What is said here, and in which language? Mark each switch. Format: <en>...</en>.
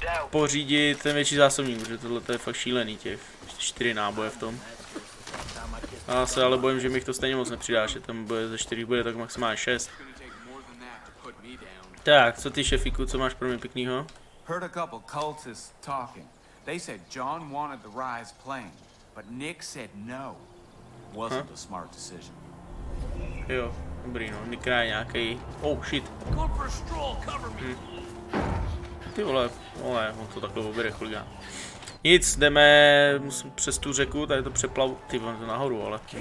<cs>Pořídit ten větší zásobník, protože tohle je fakt šílený těch 4 náboje v tom. Já se ale bojím, že mi to stejně moc nepřidá, že tam bude ze 4 bude tak maximálně 6. Tak, co ty šefíku, co máš pro mě pěknýho?</cs> <en>Heard a couple cultists talking. They said John wanted the Rise plane, but Nick said no. Wasn't a smart decision.</en> <cs>Jo, dobrý, no, Nick je nějaký.</cs> <en>Oh shit.</en> <cs>Ty vole, vole, on to takhle obere chuligán. Nic, jdeme musím přes tu řeku, tady to přeplavu, ty vole, to nahoru, ale.</cs>